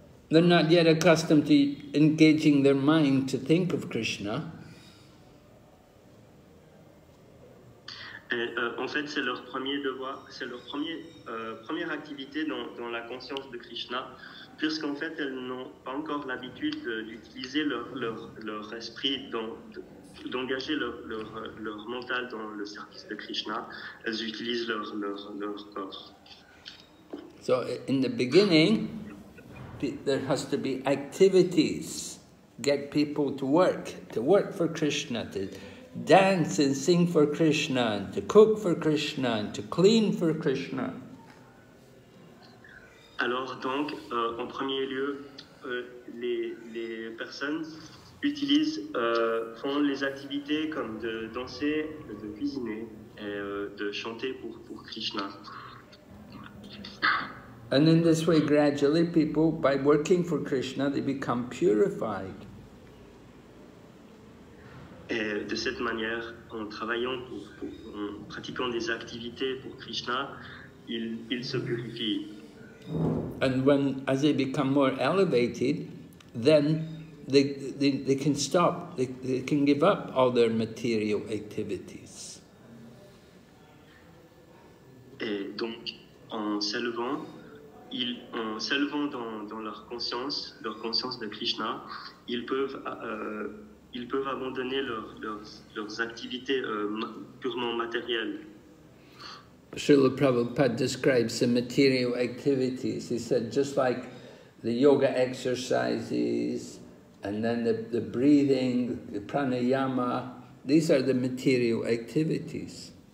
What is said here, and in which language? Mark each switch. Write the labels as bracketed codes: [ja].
[en] They're not yet accustomed to engaging their mind to think of Krishna. [fr] En fait, c'est leur premier devoir, c'est leur première activité dans la conscience de Krishna. Puisqu'en fait, elles n'ont pas encore l'habitude d'utiliser leur esprit, d'engager leur mental dans le service de Krishna. Elles utilisent leur corps. [en] So, in the beginning, there has to be activities. Get people to work for Krishna, to dance and sing for Krishna, to cook for Krishna, to clean for Krishna. [fr] Alors donc, en premier lieu, les personnes utilisent, font les activités comme de danser, de cuisiner et de chanter pour Krishna. [en] And in this way, gradually, people, by working for Krishna, they become purified. [fr] Et de cette manière, en travaillant, en pratiquant des activités pour Krishna, il se purifie. [en] And when as they become more elevated, then they can stop, they can give up all their material activities. [fr] Et donc, en s'élevant dans leur conscience de Krishna, ils peuvent abandonner leurs activités purement matérielles. [en] Srila Prabhupada describes the material activities. He said, just like the yoga exercises, and then the breathing, the pranayama, these are the material activities.